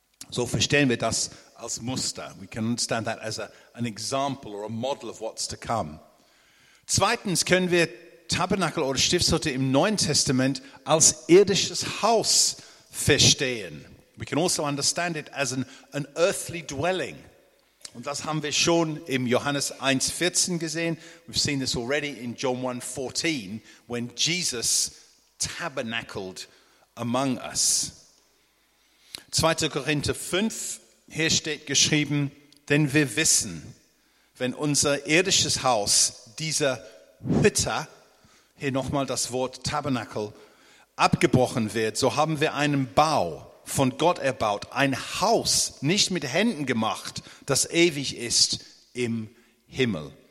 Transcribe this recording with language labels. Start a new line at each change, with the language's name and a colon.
German: So verstehen wir das als Muster.
English: We can understand that as an example or a model of what's to come.
German: Zweitens können wir Tabernakel oder Stiftshütte im Neuen Testament als irdisches Haus verstehen.
English: We can also understand it as an earthly dwelling.
German: Und das haben wir schon im Johannes 1,14 gesehen.
English: We've seen this already in John 1,14, when Jesus tabernacled among us.
German: 2. Korinther 5, hier steht geschrieben, denn wir wissen, wenn unser irdisches Haus, dieser Hütte, hier nochmal das Wort Tabernakel, abgebrochen wird, so haben wir einen Bau von Gott erbaut, ein Haus, nicht mit Händen gemacht, das ewig ist im Himmel.